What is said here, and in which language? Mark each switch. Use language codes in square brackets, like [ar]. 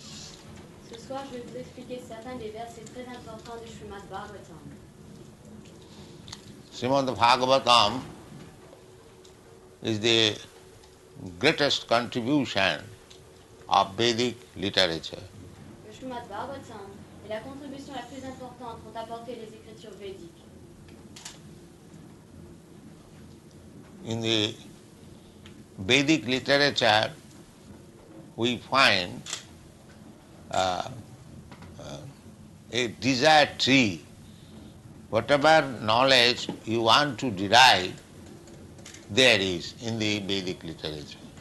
[fr] Ce soir, je vais vous expliquer certains des versets très importants du Srimad Bhagavatam. [en] Srimad Bhagavatam is the greatest contribution of Vedic literature. [fr] Le Srimad Bhagavatam est la contribution la plus importante pour apporter les écritures védiques. [en] In the Vedic literature, we find a desire tree. Whatever knowledge you want to derive, there is in the Vedic literature.